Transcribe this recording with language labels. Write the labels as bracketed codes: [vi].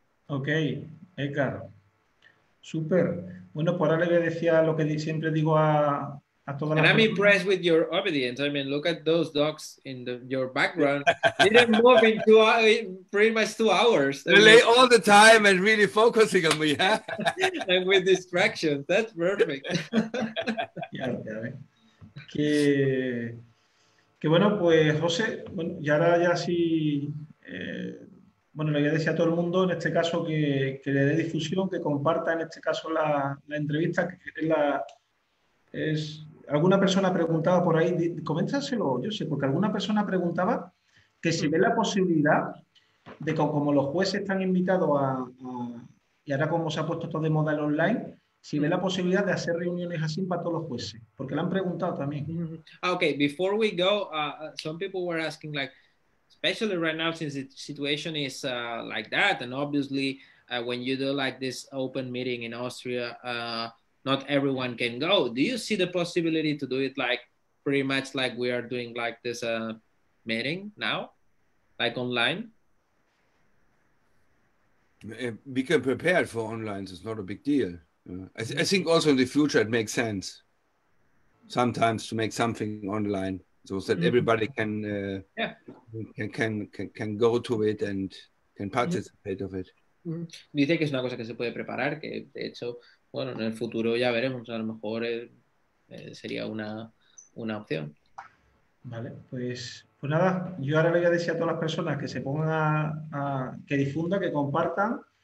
[es] Edgar. Super. Bueno, por ahora le voy a decir lo que siempre digo [en] And I'm impressed with your obedience. I mean, look at those dogs in your background. They didn't move in pretty much two hours. They lay all the time and really focusing on me. Huh? And with distractions. That's perfect. [es] Que bueno, pues, José, bueno, y ahora ya sí, bueno, le voy a decir a todo el mundo, en este caso, que le dé difusión, que comparta, en este caso, la entrevista, que es la... Es, alguna persona preguntaba por ahí, coméntaselo, yo sé, porque alguna persona preguntaba que si ve la posibilidad de que, como los jueces están invitados a... Y ahora como se ha puesto todo de moda el online... Si ve la posibilidad de hacer reuniones así para todos los jueces, porque le han preguntado también. [en] Okay, before we go, some people were asking, like, especially right now since the situation is like that, and obviously when you do like this open meeting in Austria, not everyone can go. Do you see the possibility to do it like pretty much like we are doing like this meeting now, like online? We can prepare for online. It's not a big deal. I think also in the future it makes sense sometimes to make something online so that everybody can go to it and can participate of it. [es] Dice que es una cosa que se puede preparar, que de hecho, bueno, en el futuro ya veremos, a lo mejor sería una opción. Vale, pues nada, yo ahora le voy a decir a todas las personas que se pongan que difundan, que compartan.